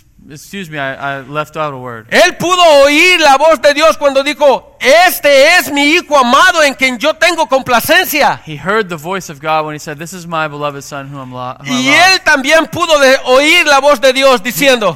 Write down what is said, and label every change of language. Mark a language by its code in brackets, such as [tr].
[en] Excuse me, I left out a word. [es] Él pudo oír la voz de Dios cuando dijo, este es mi hijo amado en quien yo tengo complacencia. [en] He heard the voice of God when he said, this is my beloved son whom I love. [es] Y él también pudo oír la voz de Dios diciendo,